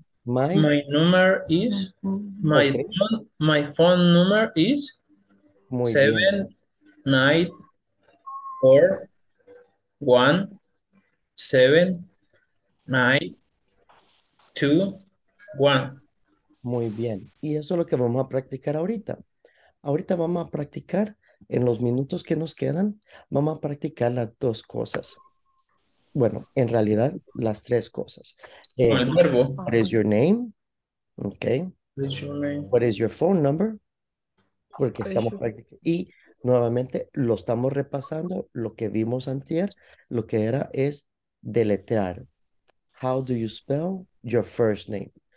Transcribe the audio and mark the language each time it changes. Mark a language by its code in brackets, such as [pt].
[en] My number is my phone number is 7, 9, 4, 1, 7, 9, 2, 1. [es] Muy bien. Y eso es lo que vamos a practicar ahorita. Ahorita vamos a practicar en los minutos que nos quedan, vamos a practicar las dos cosas. Bueno, en realidad, las tres cosas. El verbo. [en] What is your name? Okay. What is your name? What is your phone number? [es] Porque estamos practicando. Y nuevamente, lo estamos repasando, lo que vimos antier, lo que era es deletrear. [en] How do you spell your first name?